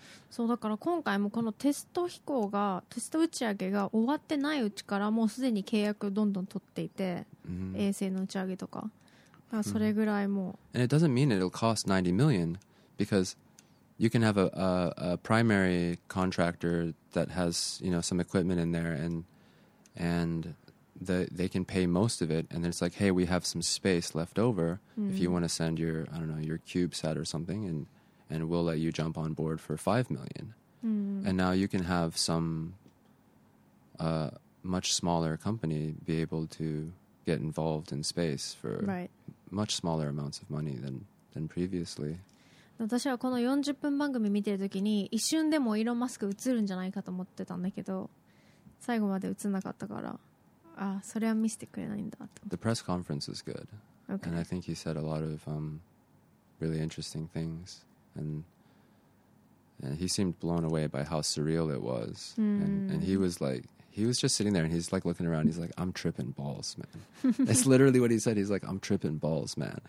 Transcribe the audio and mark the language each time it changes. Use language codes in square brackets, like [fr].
[ja] そうだから今回もこのテスト飛行がテスト打ち上げが終わってないうちからもうすでに契約どんどん取っていて、 mm-hmm. 衛星の打ち上げとか、mm-hmm. それぐらいも。 [en] And it doesn't mean it'll cost 90 million because you can have a primary contractor that has, you know, some equipment in there and they can pay most of it, and then it's like, hey, we have some space left over、mm-hmm. if you want to send your, I don't know, your CubeSat or something and we'll let you jump on board for $5 million、 mm. And now you can have some much smaller company be able to get involved in space for、 right. much smaller amounts of money than previously. [ja] 私はこの40分番組見てるときに一瞬でもイーロン・マスク映るんじゃないかと思ってたんだけど最後まで映んなかったからあ、それは見せてくれないんだと。 [en] The press conference is good、 okay. and I think he said a lot of really interesting things. And he seemed blown away by how surreal it was.、 Mm. And he was like, he was just sitting there and he's like looking around. He's like, I'm tripping balls, man. That's literally what he said. He's like, I'm tripping balls, man.